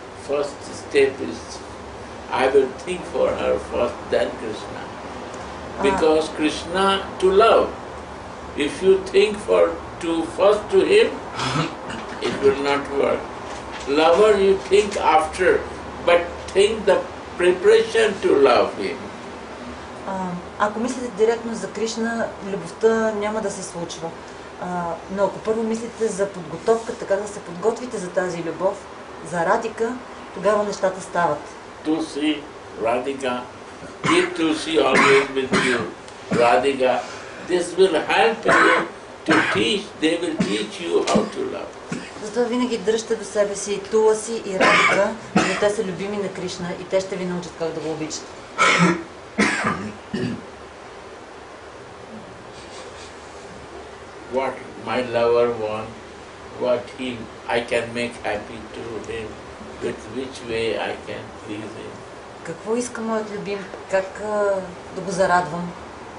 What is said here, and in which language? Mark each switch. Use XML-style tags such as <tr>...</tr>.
<en>First step is I will think for her first, then Krishna. Because Krishna to love. If you think for to first to him, it will not work. Lover you think after, but think the preparation to love him.</en> <bg>Ако мислите директно за Кришна, любовта няма да се случва. Но ако първо мислите за подготовката, как да се подготвите за тази любов, за Радика, тогава нещата стават.</bg> <en>Туси, Радика, keep Туси always with you. Радика, this will help you to teach, they will teach you how to love.</en> <bg>Затова винаги дръжте до себе си Туласи и Радика, но те са любими на Кришна и те ще ви научат как да го обичате.</bg> <en>What my lover want, what he, I can make happy to him, with which way I can please him.</en> <bg>Какво иска моят любим, как да го зарадвам,</bg>